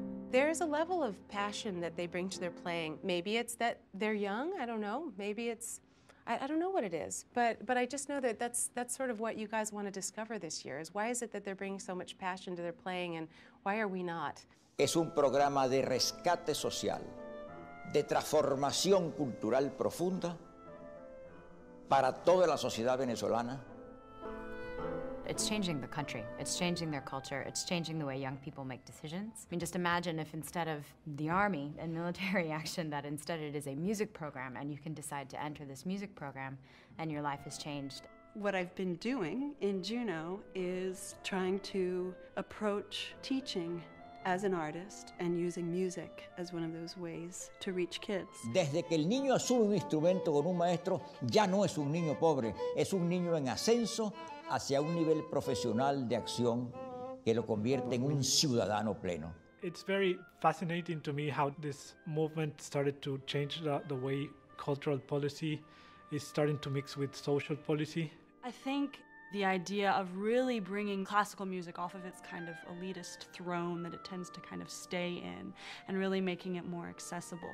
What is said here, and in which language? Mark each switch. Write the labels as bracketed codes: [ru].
[en] There is a level of passion that they bring to their playing. Maybe it's that they're young, I don't know. Maybe it's, I don't know what it is. But I just know that that's sort of what you guys want to discover this year, is why is it that they're bringing so much passion to their playing, and why are we not? [es] Es un programa de rescate social, de transformación cultural profunda para toda la sociedad venezolana. [en] It's changing the country. It's changing their culture. It's changing the way young people make decisions. I mean, just imagine if instead of the army and military action, that instead it is a music program, and you can decide to enter this music program and your life has changed. What I've been doing in Juno is trying to approach teaching as an artist and using music as one of those ways to reach kids. [es] Desde que el niño asume un instrumento con un maestro, ya no es un niño pobre, es un niño en ascenso hacia un nivel profesional de acción que lo convierte en un ciudadano pleno. [en] It's very fascinating to me how this movement started to change the way cultural policy is starting to mix with social policy. I think the idea of really bringing classical music off of its kind of elitist throne that it tends to kind of stay in, and really making it more accessible.